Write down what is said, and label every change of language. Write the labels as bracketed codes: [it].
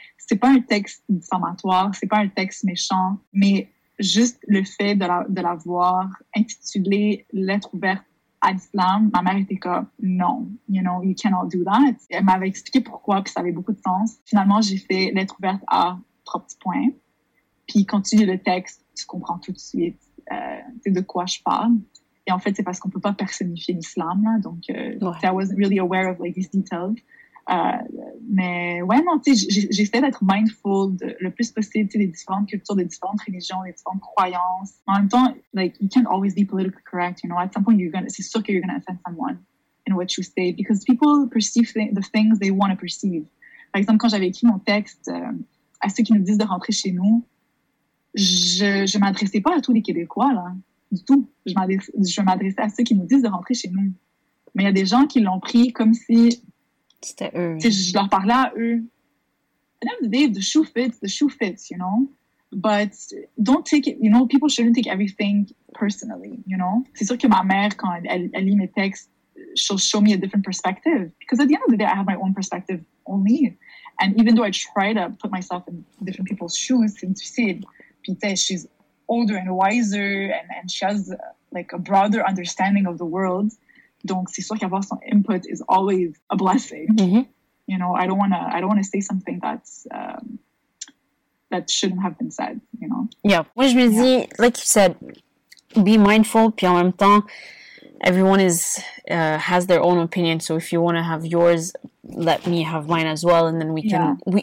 [fr] C'est pas un texte diffamatoire, c'est pas un texte méchant, mais juste le fait de l'avoir intitulé « Lettre ouverte à l'islam », ma mère était comme « Non, [en] you know, you cannot do that ». [fr] Elle m'avait expliqué pourquoi, puis ça avait beaucoup de sens. Finalement, j'ai fait « Lettre ouverte à trois petits points », puis quand tu lis le texte, tu comprends tout de suite de quoi je parle. Et en fait, c'est parce qu'on peut pas personnifier l'islam, là. [en] Donc, I wasn't really aware of, like, these details. [fr] Mais, ouais, non, tu sais, j'essaie d'être mindful de, le plus possible, tu sais, des différentes cultures, des différentes religions, des différentes croyances. [en] En même temps, like, you can't always be politically correct, you know. At some point, [fr] c'est sûr que [en] you're gonna offend someone in what you say. Because people perceive the things they want to perceive. [fr] Par exemple, quand j'avais écrit mon texte, à ceux qui nous disent de rentrer chez nous, je m'adressais pas à tous les Québécois, là. Du tout. Je m'adressais à ceux qui nous disent de rentrer chez nous. Mais il y a des gens qui l'ont pris comme si... C'était eux. Je leur parlais à eux. [en] At the end of the day, the shoe fits, you know? But don't take it, you know, people shouldn't take everything personally, you know? [fr] C'est sûr que ma mère, quand elle lit mes textes, [en] she'll show me a different perspective. Because at the end of the day, I have my own perspective only. And even though I try to put myself in different people's shoes, [fr] c'est difficile. [en] Puis, tu sais, she's older and wiser, and she has like a broader understanding of the world. [fr] Donc, c'est sûr qu'avoir son input [en] is always a blessing. Mm-hmm. You know, I don't wanna say something that's that shouldn't have been said. You know. Yeah. [fr] Moi, je me dis, [en] like you said, be mindful. [fr] Puis en même temps, [en] everyone is has their own opinion. So if you want to have yours, let me have mine as well, and then we can. Yeah.